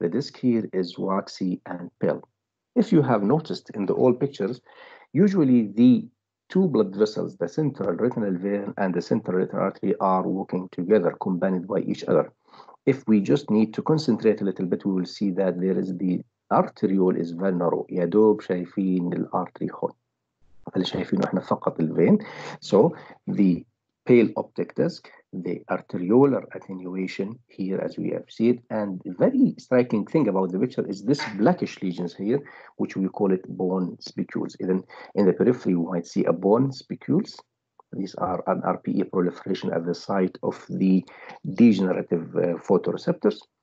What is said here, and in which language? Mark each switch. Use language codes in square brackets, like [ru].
[en] The disc here is waxy and pale. If you have noticed in the old pictures, usually the two blood vessels, the central retinal vein and the central retinal artery, are working together, combined by each other. If we just need to concentrate a little bit, we will see that there is the arteriole is very narrow. [ar] يدوب شايفين الارتري هون. اللي شايفينه احنا فقط الفين. [en] So the pale optic disc, the arteriolar attenuation here, as we have seen. And the very striking thing about the picture is this blackish lesions here, which we call it bone spicules. And then in the periphery, we might see a bone spicules. These are an RPE proliferation at the site of the degenerative photoreceptors.